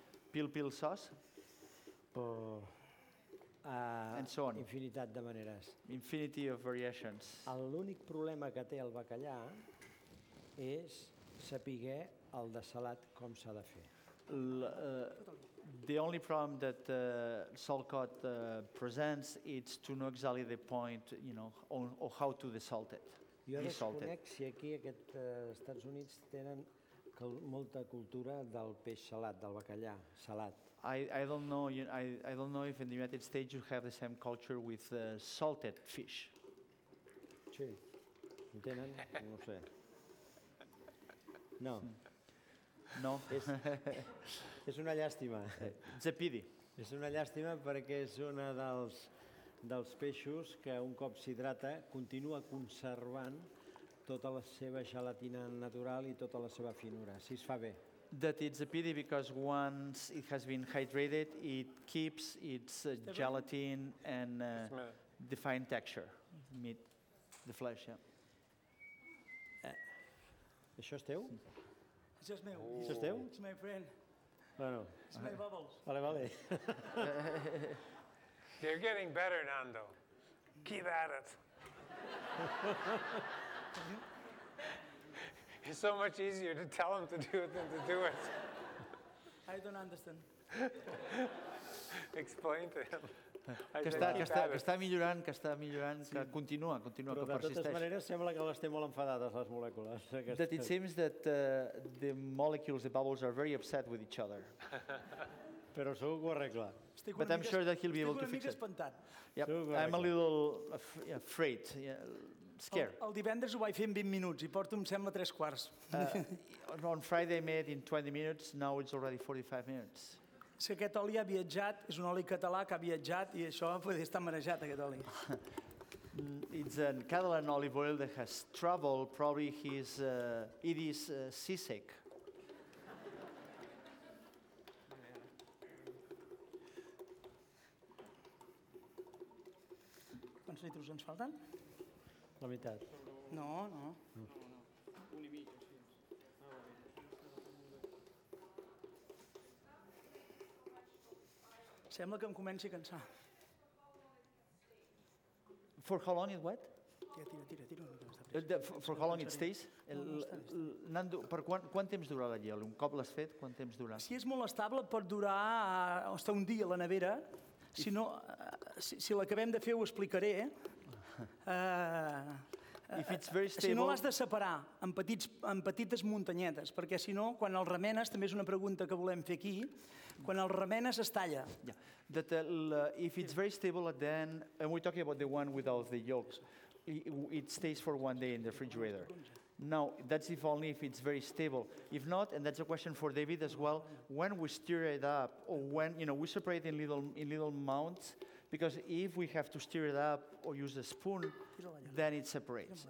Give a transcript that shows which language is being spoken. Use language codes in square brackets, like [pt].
[en] Pil-pil sauce. And so on. [ca] Infinitat de maneres. [en] Infinity of variations. [ca] L'únic problema que té el bacallà és saber el de salat com s'ha de fer. [en] The only problem that salt cod presents is to know exactly the point, you know, or how to desalt it. [ca] Jo desconec si aquí aquests Estats Units tenen molta cultura del peix salat, del bacallà salat. [en] I don't know if in the United States you have the same culture with salted fish. [ca] Sí. Tenen, no sé. No. No. És una llàstima. [en] It's a pity. [ca] És una llàstima perquè és una dels peixos que un cop s'hidrata continua conservant tota la seva gelatina natural i tota la seva finura. Si es fa bé. [en] That it's a pity because once it has been hydrated, it keeps its gelatin and defined texture. Meat, the flesh, yeah. [ca] Això és teu? Això és meu. Això és teu? [en] It's my friend. [ca] Bueno. [en] It's my bubbles. [ca] Vale, vale. [en] You're getting better, Nando. Keep at it. It's so much easier to tell him to do it than to do it. I don't understand. Explain to him. [ca] Que està millorant, sí. Que continua, però que persisteix. De totes maneres, sembla que les té molt enfadades, les molècules. Aquestes. [en] That it seems that the molecules, the bubbles, are very upset with each other. [ca] Però segur que ho arregla. [en] But I'm sure that he'll be able to fix it. [ca] Estic una mica [en] espantat. Yep. I'm a little afraid. Yeah. Scared. [ca] El divendres ho vaig fer en 20 minuts i porto, em sembla, 3 quarts. [en] On Friday I made in 20 minutes, now it's already 45 minutes. [ca] És que aquest oli ha viatjat, és un oli català que ha viatjat i això podria estar marejat, aquest oli. [en] It's a Catalan olive oil that has traveled, probably his, it is seasick. [ca] Quants litres ens falten? La meitat. No. Un i mig. Sembla que em comenci a cansar. [en] For how long it what? [ca] Tira. [en] For how long it stays? [ca] Nando, per quant temps dura la llet? Un cop l'has fet, quant temps dura? Si és molt estable, pot durar hasta un dia a la nevera. Si no, si l'acabem de fer, ho explicaré. [en] If it's very stable, [ca] si no l'has de separar en petites muntanyetes, perquè si no, quan el remenes, també és una pregunta que volem fer aquí, quan el remenes es talla. [en] Yeah. If it's very stable at the end, and we're talking about the one without the yolks, it stays for one day in the refrigerator. No, that's if only if it's very stable. If not, and that's a question for David as well, when we stir it up, or when, you know, we separate in little mounds, because if we have to stir it up or use a spoon, then it separates.